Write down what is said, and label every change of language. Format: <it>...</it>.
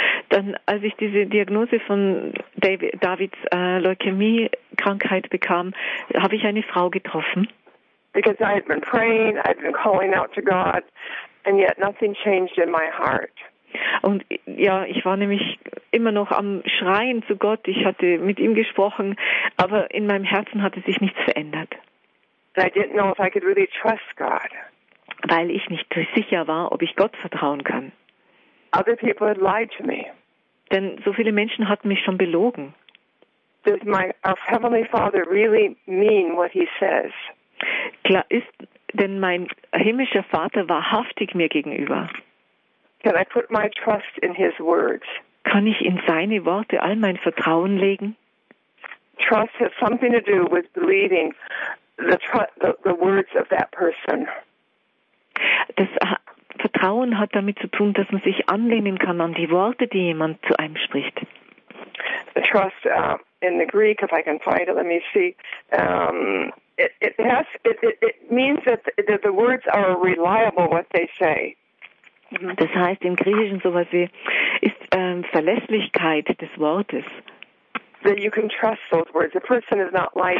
<de>Dann, als ich diese Diagnose von Davids Leukämie-Krankheit bekam, habe ich eine Frau getroffen.</de> <en>Because I had been praying, I had been calling out to God, and yet nothing changed in my heart.</en> <de>Und ja, ich war nämlich immer noch am Schreien zu Gott. Ich hatte mit ihm gesprochen, aber in meinem Herzen hatte sich nichts verändert.</de> <en>I didn't know if I could really trust God.</en> <de>Weil ich nicht sicher war, ob ich Gott vertrauen kann.</de> <en>Other people had lied to me.</en> <de>Denn so viele Menschen hatten mich schon belogen.</de> <en>Does my Heavenly Father really mean what he says?</en> <de>Klar ist, denn mein himmlischer Vater war wahrhaftig mir gegenüber.</de> <en>Can I put my trust in his words?</en> <de>Kann ich in seine Worte all mein Vertrauen legen?</de> <en>Trust has something to do with believing the words of that person.</en> <de>Das Vertrauen hat damit zu tun, dass man sich anlehnen kann an die Worte, die jemand zu einem spricht.</de> <en>The trust in the Greek, if I can find it, let me see. It means that the words are reliable, what they say.</en> <de>Das heißt im Griechischen sowas wie ist Verlässlichkeit des Wortes.</de> <en>That you can trust those words. The person is not like</en>